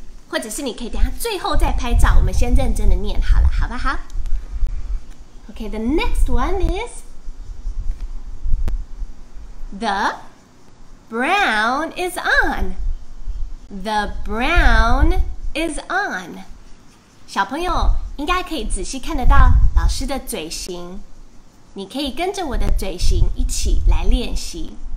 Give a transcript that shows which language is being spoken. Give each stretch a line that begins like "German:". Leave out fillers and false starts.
Chinese: 或者是你可以等下最后再拍照，我们先认真的念好了，好不好？
English: Okay, the next one is the brown is on. The brown is on.
Chinese: 小朋友应该可以仔细看得到老师的嘴型，你可以跟着我的嘴型一起来练习。